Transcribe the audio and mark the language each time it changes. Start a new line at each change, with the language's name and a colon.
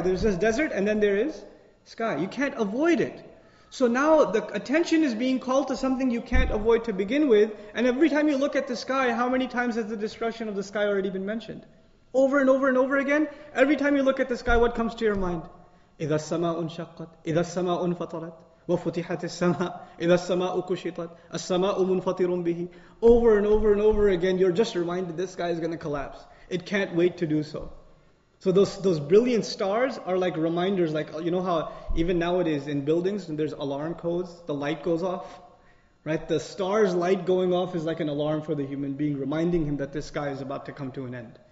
English: There's this desert and then there is sky. You can't avoid it. So now the attention is being called to something you can't avoid to begin with. And every time you look at the sky, how many times has the destruction of the sky already been mentioned? Over and over and over again. Every time you look at the sky, what comes to your mind?
Arabic: إِذَا السَّمَاءُ انشَقَّتْ إِذَا السَّمَاءُ انفَطَرَتْ وَفُتِحَتِ السَّمَاءُ إِذَا السَّمَاءُ كُشِطَتْ السَّمَاءُ مُنْفَطِرٌ بِهِ.
English: Over and over and over again, you're just reminded this sky is going to collapse. It can't wait to do so. So those brilliant stars are like reminders, like, you know how even nowadays in buildings when there's alarm codes, the light goes off, right? The star's light going off is like an alarm for the human being, reminding him that this sky is about to come to an end.